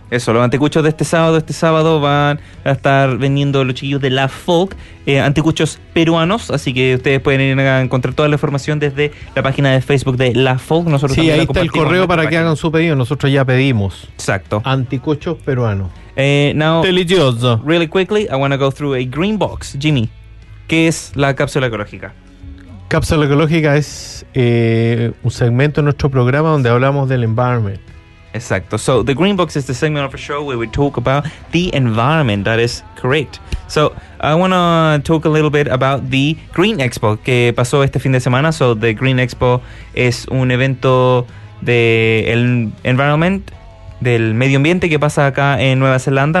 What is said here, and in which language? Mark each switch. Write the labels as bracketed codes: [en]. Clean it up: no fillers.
[es] Eso, los anticuchos de este sábado van a estar vendiendo los chiquillos de La Folk, anticuchos peruanos, así que ustedes pueden ir a encontrar toda la información desde la página de Facebook de La Folk. Nosotros sí, ahí la está el correo para página. Que hagan su pedido, nosotros ya pedimos. Exacto. Anticuchos peruanos. [en] Now, [es] delicioso. [en] Really quickly, I want to go through a green box. [es] Jimmy, ¿qué es la cápsula ecológica? Cápsula ecológica es un segmento de nuestro programa donde hablamos del environment. Exacto. [en] So the green box is the segment of a show where we talk about the environment. That is correct. So I want to talk a little bit about the Green Expo [es] que pasó este fin de semana. So the Green Expo es un evento del environment, del medio ambiente que pasa acá en Nueva Zelanda.